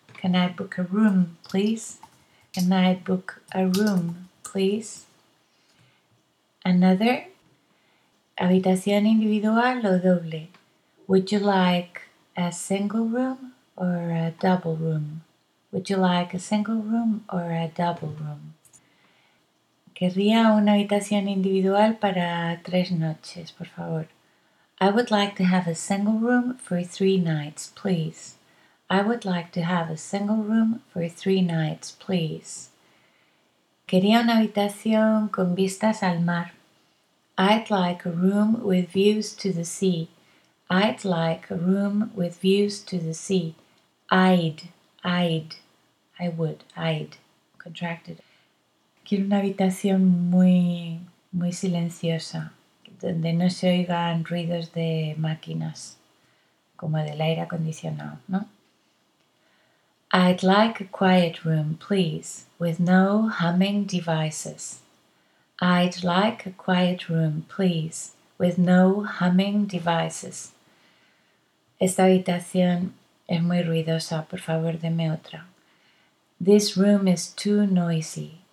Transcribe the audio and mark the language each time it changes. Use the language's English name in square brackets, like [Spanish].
[English] Can I book a room, please? Can I book a room, please? [Spanish] Another, habitación individual o doble. [English] Would you like a single room or a double room? Would you like a single room or a double room? [Spanish] Querría una habitación individual para 3 noches, por favor. [English] I would like to have a single room for 3 nights, please. I would like to have a single room for 3 nights, please. [Spanish] Quería una habitación con vistas al mar. [English] I'd like a room with views to the sea. I'd like a room with views to the sea. I'd contracted. [Spanish] Quiero una habitación muy silenciosa, donde no se oigan ruidos de máquinas, como del aire acondicionado, ¿no? [English] I'd like a quiet room, please, with no humming devices. I'd like a quiet room, please, with no humming devices. Esta habitación Es muy ruidosa. Por favor, deme otra. This room is too noisy.